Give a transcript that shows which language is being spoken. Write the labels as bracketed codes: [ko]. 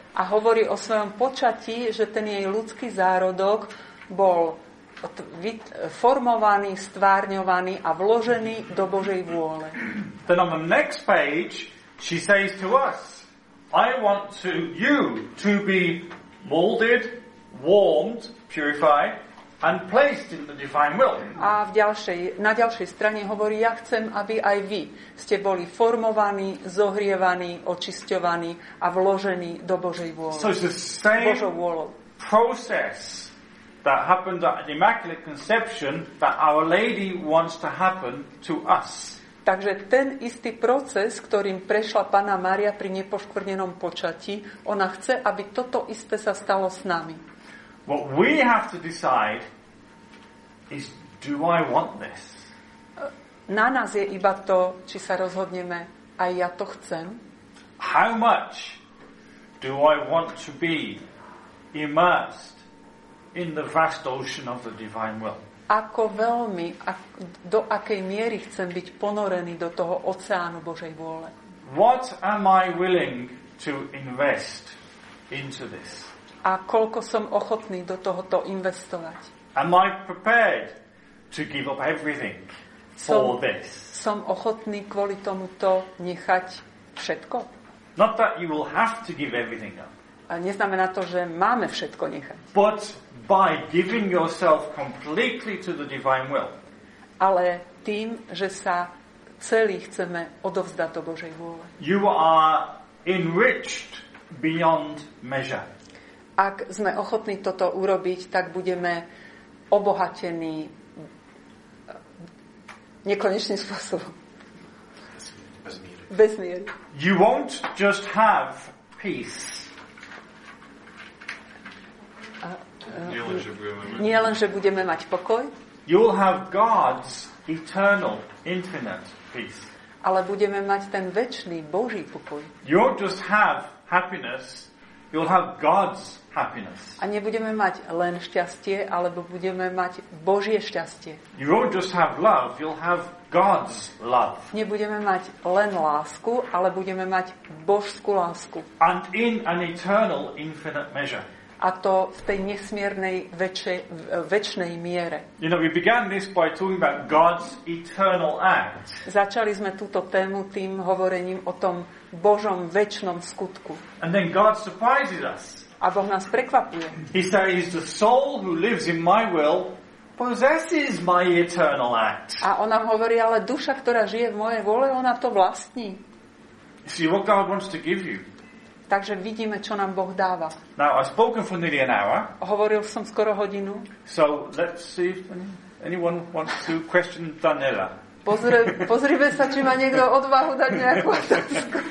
[sk] a hovorí o svojom počatí, že ten jej ľudský zárodok bol formovaný, stvárňovaný a vložený do Božej vôle. [en] Then on the next page she says to us, I want to you to be molded, warmed, purified and placed in the divine will. [sk] A v ďalšej, na ďalšej strane hovorí, ja chcem, aby aj vy ste boli formovaní, zohrievaní, očisťovaní a vložení do Božej vôle. [en] So it's the same process that happened at the Immaculate Conception that Our Lady wants to happen to us. [sk] Takže ten istý proces, ktorým prešla Panna Mária pri nepoškvrnenom počatí, ona chce, aby toto isté sa stalo s nami. [en] What we have to decide is, do I want this? [sk] Na nás je iba to, či sa rozhodneme, aj ja to chcem. [en] How much do I want to be immersed in the vast ocean of the divine will? [sk] Ako veľmi, do akej miery chcem byť ponorený do toho oceánu Božej vôle? [en] What am I willing to invest into this? [sk] A koľko som ochotný do tohoto investovať? [en] Am I prepared to give up everything for this? [sk] Som ochotný kvôli tomuto nechať všetko? [en] Not that you will have to give everything up. [sk] A neznamená to, že máme všetko nechať. [en] But by giving yourself completely to the divine will. [sk] Ale tým, že sa celý chceme odovzdať do Božej vôle. [en] You are enriched beyond measure. [sk] Ak sme ochotní toto urobiť, tak budeme obohatení nekonečným spôsobom. Bez miery. [en] You won't just have peace. [sk] Nie len, že budeme mať pokoj. [en] You'll have God's eternal, infinite peace. [sk] Ale budeme mať ten večný Boží pokoj. [en] You won't just have happiness. You'll have God's happiness. [sk] A nebudeme mať len šťastie, alebo budeme mať Božie šťastie. [en] You won't just have love, you'll have God's love. [sk] Nebudeme mať len lásku, ale budeme mať božskú lásku. [en] And in an eternal infinite measure. [sk] A to v tej nesmiernej večnej miere. [en] You know, we began this by talking about God's eternal act. [sk] Začali sme túto tému tým hovorením o tom Božom večnom skutku. [en] And then God surprises us. [sk] A Boh nás prekvapuje. [en] He says, the soul who lives in my will possesses my eternal act. [sk] A on nám hovorí, ale duša, ktorá žije v mojej vole, ona to vlastní. [en] You see what God wants to give you. [sk] Takže vidíme, čo nám Boh dáva. [en] Now, I've spoken for nearly an hour. [sk] Hovoril som skoro hodinu. [en] So, let's see if anyone wants to question Daniela. [sk] Pozrime sa, či má niekto odvahu dať nejakú otázku.